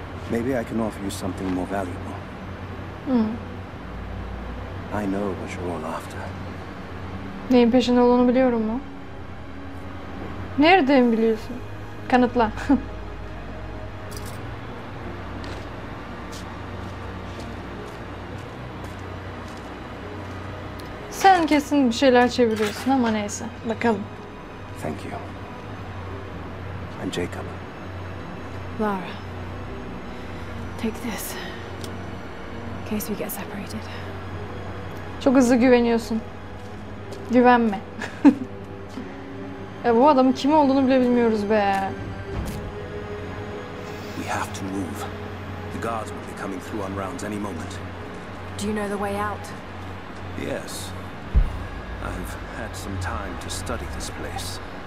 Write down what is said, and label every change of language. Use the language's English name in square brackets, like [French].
[English] Maybe I can offer you something more valuable. I know what you're all after. [Turkish] Neyin peşinde olduğunu biliyorum mu? Nereden biliyorsun? Kanıtla. Sen kesin bir şeyler çeviriyorsun ama neyse. Bakalım. [English] Thank you. I'm Jacob. Lara. Take this. In case we get separated. [Turkish] Çok hızlı güveniyorsun. Güvenme. Ya bu adamın kim olduğunu bile bilmiyoruz be. [English] We have to move. The guards will be coming through on rounds any moment. Do you know the way out? Yes. I've had some time to study this place.